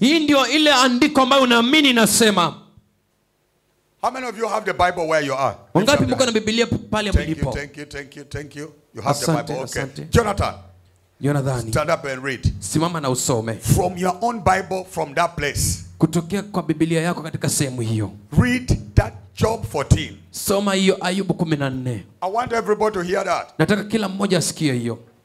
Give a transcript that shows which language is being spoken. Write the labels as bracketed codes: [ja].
[sw] Hii ndio ile andiko ambayo unaamini nasema. [en] How many of you have the Bible where you are? [sw] Wangapi mko na Biblia pale mlipo? [en] Thank you. You have the Bible, okay. Jonathan. Stand up and read. [sw] Simama na usome. [en] From your own Bible from that place. [sw] Kutokea kwa Biblia yako katika sehemu hiyo. [en] Read that Job 14. [sw] Soma hiyo Ayubu 14. [en] I want everybody to hear that. [sw] Nataka kila mmoja asikie hiyo.